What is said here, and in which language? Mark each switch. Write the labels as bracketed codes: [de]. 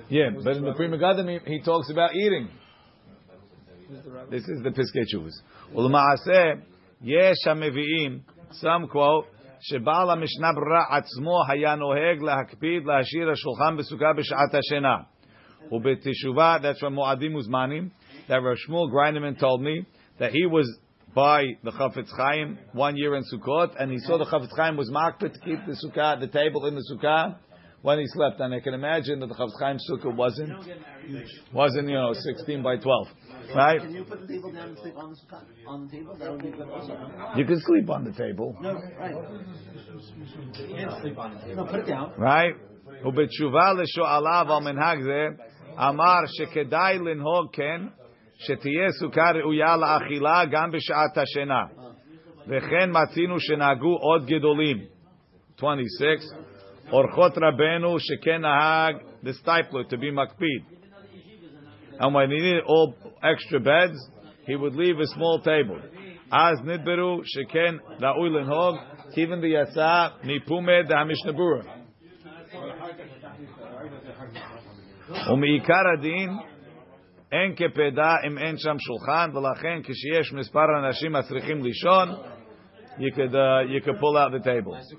[en] Yeah, but in the Prima Gadim, he talks about eating. This is the Piskei Tshuvos. [he] ולמעשה, יש המביאים, [en] some quote, [he] שבעל המשנה ברורה עצמו היה נוהג להקפיד להשאיר השולחן בסוכה בשעת השינה. [en] ובתשובה, that's from מועדים וזמנים, that Rav Shmuel Grinderman told me that he was by the Chafetz Chaim 1 year in Sukkot, and he saw the Chafetz Chaim was makpid to keep the sukkah, the table in the sukkah, when he slept. And I can imagine that the Chafetz Chaim sukkah wasn't 16 by 12. Right? Can you put the table down and sleep on the sukkah? On the table? That would be good. You can sleep on the table. No, right. You can't sleep on the table. No, put it down. Right? [he] ובתשובה לשואליו על מנהג זה, אמר שכדאי לנהוג כן, שתהיה סוכה ראויה לאכילה גם בשעת השינה. וכן מצינו שנהגו עוד גדולים. 26. אורחות רבנו שכן נהג [en] the stipler to be [he] מקפיד. [en] And when he needed all extra beds, he would leave a small table. [he] אז נדברו שכן ראוי לנהוג כיוון דיצא מפומה דהמשנה ברורה. ומעיקר הדין אין כפדה אם אין שם שולחן, ולכן כשיש מספר אנשים הצריכים לישון, [en] you could pull out the table.